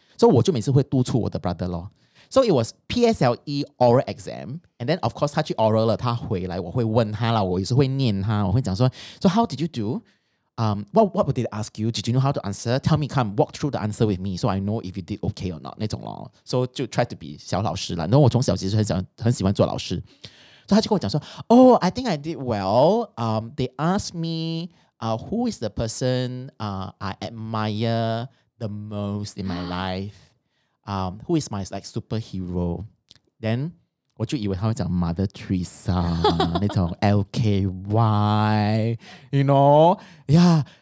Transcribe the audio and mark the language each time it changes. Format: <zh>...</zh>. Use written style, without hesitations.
<en>So</en> <zh>我就每次会督促我的</zh> <en>brother 咯.So it was PSLE oral exam, and then of course 他去 oral</en> <zh>了，他回来我会问他啦，我也是会念他，我会讲说,</zh> <en>so how did you do? What would they ask you? Did you know how to answer? Tell me, come walk through the answer with me, so I know if you did okay or not.</en> <zh>那种咯.So 就 try to be 小老师啦. No, 我从小其实很喜欢做老师.</zh> <en>So</en> <zh>他就跟我讲说,</zh> <en>oh, I think I did well. They asked me, who is the person I admire the most in my life? Who is my like superhero? Then</en> <zh>我就以为他会讲</zh> <en>Mother Teresa 那种 LKY, you know, yeah.</en>